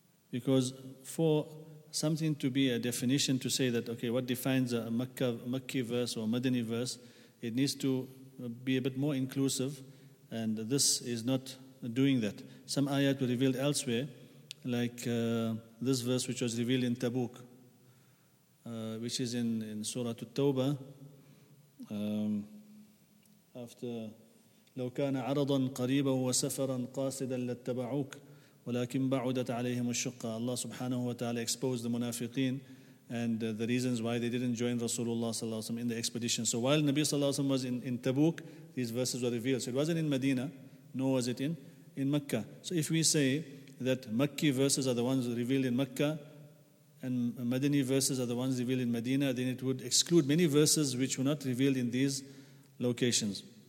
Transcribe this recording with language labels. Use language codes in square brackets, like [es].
[en] Because for something to be a definition to say that, okay, what defines a Makki verse or Madani verse, it needs to be a bit more inclusive, and this is not doing that. Some ayat were revealed elsewhere, like this verse which was revealed in Tabuk, which is in Surah At-Tawbah. [ar] After لو كان عرضا قريبا وسفرا قاصدا لاتبعوك ولكن بعدت عليهم الشقة. [en] Allah subhanahu wa ta'ala exposed the munafiqeen and the reasons why they didn't join Rasulullah sallallahu alaihi wasallam in the expedition. So while Nabi sallallahu alaihi wasallam was in Tabuk, these verses were revealed. So it wasn't in Medina, nor was it in Mecca. So if we say that Makki verses are the ones revealed in Mecca and Madani verses are the ones revealed in Medina, then it would exclude many verses which were not revealed in these locations.